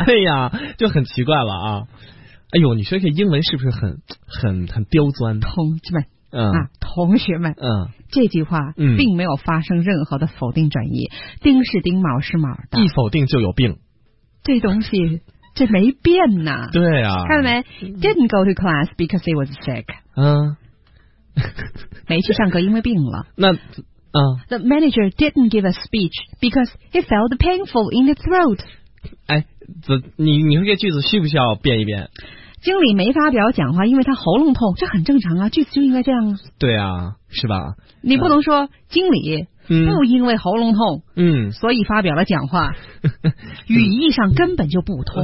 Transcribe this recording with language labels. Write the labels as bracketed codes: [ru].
[zh] 对呀，就很奇怪了啊。哎呦，你说这英文是不是很刁钻？同志们。同学们，这句话并没有发生任何的否定转移，丁是丁，卯是卯的，一否定就有病，这东西这没变呐。对啊，看到没 [en] ？Didn't go to class because he was sick。 [zh] 没去上课因为病了。那 [en] The manager didn't give a speech because he felt painful in the throat。 [zh] 哎，你说这句子需不需要变一变？经理没发表讲话，因为他喉咙痛，这很正常啊，句子就应该这样。对啊，是吧？你不能说经理不因为喉咙痛，所以发表了讲话，语义上根本就不通，